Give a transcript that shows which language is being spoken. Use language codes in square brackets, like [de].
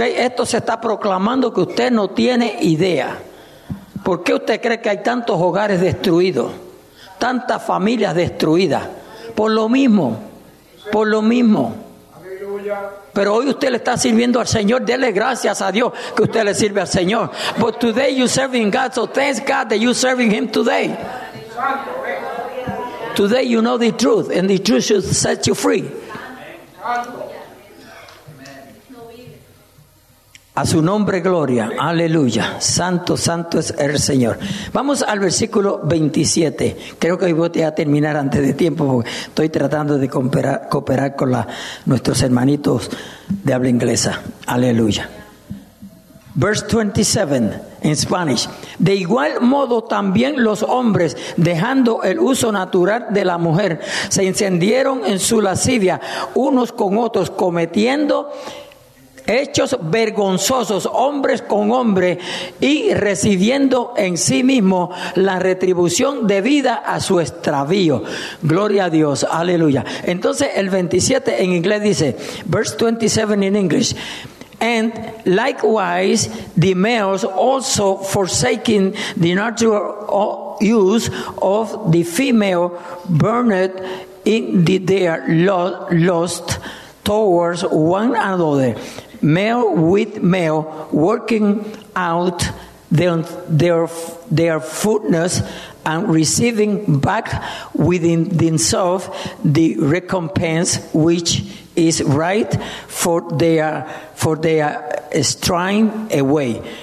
[es] Esto se está proclamando que usted no tiene idea. ¿Por qué usted cree que hay tantos hogares destruidos? Tantas familias destruidas. Por lo mismo. Por lo mismo. Pero hoy usted le está sirviendo al Señor. Dele gracias a Dios que usted le sirve al Señor. [en] But today you're serving God. So thanks God that you're serving Him today. Today you know the truth. And the truth should set you free. [es] A su nombre gloria. Aleluya. Santo, santo es el Señor. Vamos al versículo 27. Creo que hoy voy a terminar antes de tiempo porque estoy tratando de cooperar con nuestros hermanitos de habla inglesa. Aleluya. [en] Verse 27 in Spanish. [es] De igual modo también los hombres, dejando el uso natural de la mujer, se encendieron en su lascivia unos con otros, cometiendo hechos vergonzosos, hombres con hombres, y recibiendo en sí mismo la retribución debida a su extravío. Gloria a Dios, aleluya. Entonces el 27 en inglés dice, [en] verse 27 in English. And likewise, the males also forsaking the natural use of the female, burned in their lust towards one another. Male with male, working out their fullness and receiving back within themselves the recompense which is right for their straying away.